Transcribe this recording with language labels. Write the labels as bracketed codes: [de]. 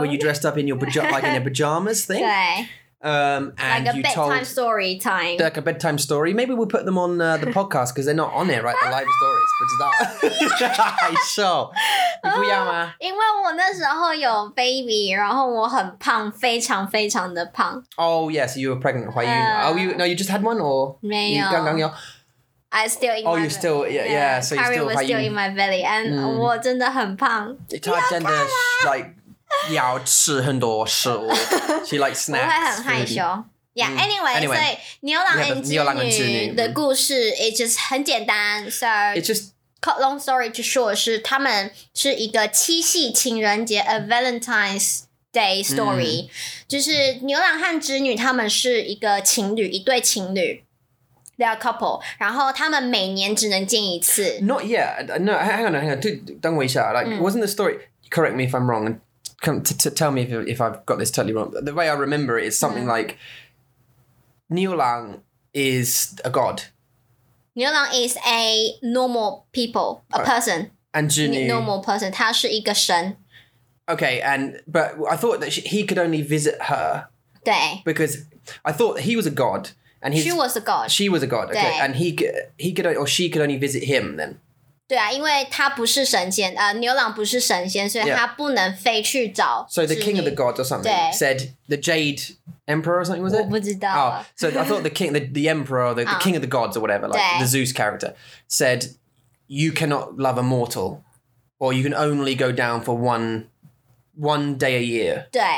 [en] Where you dressed up in your like in a pajamas thing? And like a bedtime told, story time. Like a bedtime story. Maybe we'll put them on the podcast because they're not on it, right? The live stories. But it's not. So. [zh] 因为我那时候有 baby, 然后我很胖, 非常非常的胖. [en] Oh, yes, you were pregnant. Why you? Oh, you? No, you just had one or? [zh] 没有. [en] I still in oh, my you're still, yeah, yeah. So you still was still in my belly. And [zh] 我真的很胖. [en] It's hard to, like, [zh] 要吃很多食物. [en] She likes snacks. [zh] 我会很害羞. [en] Yeah, anyway, [zh] 牛郎和织女的故事, [en] it's just [zh] 很简单, [en] so. It's just. Cut long story to short, [zh] 是他们是一个七夕情人节, [en] a Valentine's Day story. [zh] 就是牛郎和织女他们是一个情侣, 一对情侣, [en] they are a couple. [zh] 然后他们每年只能见一次. [en] Not yet. No, hang on. [zh] 等我一下, [en] like, wasn't the story, correct me if I'm wrong, and tell me if I've got this totally wrong. The way I remember it is something like, 牛郎 is a god. 牛郎 is a normal people, a person. And 织女, normal person, [zh] 他是一个神. [en] Okay, but I thought that he could only visit her. [zh] 对. [en] Because I thought he was a god. And she was a god. She was a god, okay. And she could only visit him then. [zh] 对啊,因为他不是神仙, 牛郎不是神仙, 所以他不能飞去找 [en] So the king of the gods or something [zh] 对. [en] Said the jade emperor or something, was it? [zh] 我不知道 [en] oh, So I thought the king, the emperor, the king of the gods or whatever, like [zh] 对. [en] The Zeus character, said you cannot love a mortal, or you can only go down for one day a year. [zh] 对.